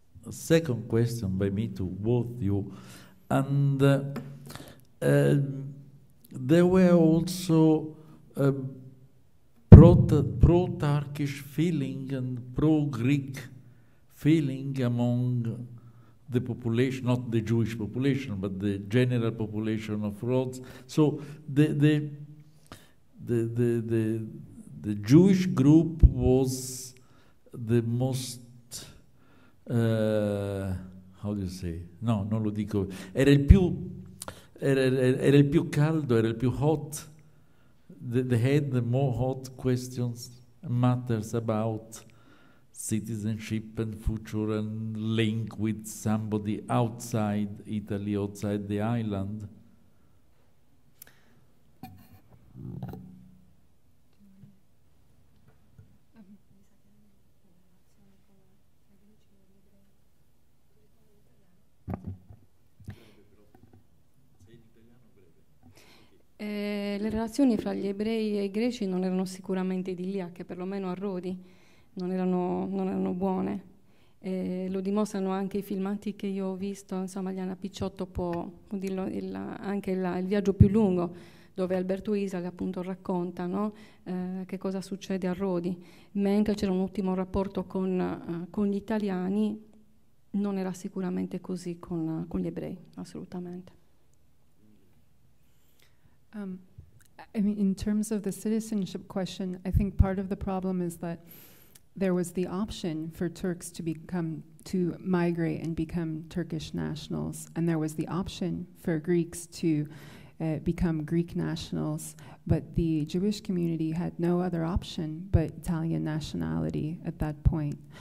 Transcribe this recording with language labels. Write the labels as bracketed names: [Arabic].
[English] Second question by me to both you, and there were also pro-Turkish feeling and pro-Greek feeling among the population, not the Jewish population, but the general population of Rhodes. So the Jewish group was the most how do you say? [Italian] No, non lo dico. Era il più caldo, era il più hot. [English] They had the more hot questions, matters about citizenship and future and link with somebody outside Italy, outside the island. [Italian] Le relazioni fra gli ebrei e i greci non erano sicuramente idilliache, perlomeno a Rodi, non erano buone. Lo dimostrano anche i filmati che io ho visto, insomma, Liana Picciotto può dirlo, il viaggio più lungo, dove Alberto Isale appunto racconta, no, che cosa succede a Rodi. Mentre c'era un ottimo rapporto con gli italiani, non era sicuramente così con gli ebrei, assolutamente. [English] I mean, in terms of the citizenship question, I think part of the problem is that there was the option for Turks to migrate and become Turkish nationals, and there was the option for Greeks to become Greek nationals, but the Jewish community had no other option but Italian nationality at that point.